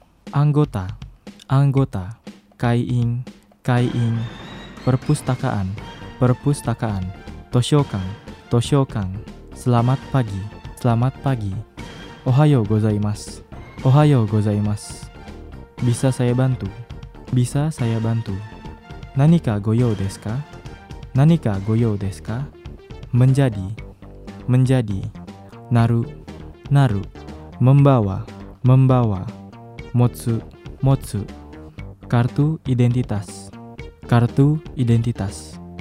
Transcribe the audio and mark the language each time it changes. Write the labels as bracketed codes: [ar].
[id] Anggota, anggota. [ja] 会員、会員。 [id] Perpustakaan, perpustakaan. [ja] 図書館、図書館。 [id] Selamat pagi, selamat pagi. [ja] おはようございます、おはようございます。 [id] Bisa saya bantu, bisa saya bantu. [ja] 何かご用ですか、何かご用ですか。 [id] Menjadi, menjadi. [ja] なる、なる。 [id] membawa, membawa. [ja] 持つ、持つ。 [id] kartu identitas, kartu identitas.